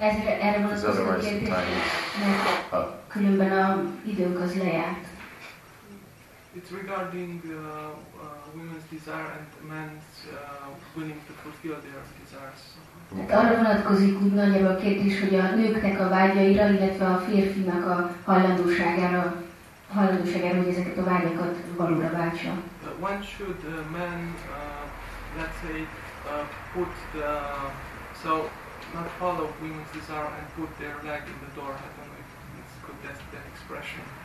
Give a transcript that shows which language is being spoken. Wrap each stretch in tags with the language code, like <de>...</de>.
<hu>Erre van az a kérdés, mert különben a időnk az lejárt.</hu> <en>It's regarding women's desire and men's willing to fulfill their desires.</en> <hu>Tehát arra vonatkozik úgy nagyjából a kérdés, hogy a nőknek a vágyaira, illetve a férfinak a hajlandóságára, hogy ezeket a vágyakat valóra váltsa.</hu> <en>When should a man, let's say, put the... So, not follow women's desire and put their leg in the door, I don't know if it's good, that's that expression.</en>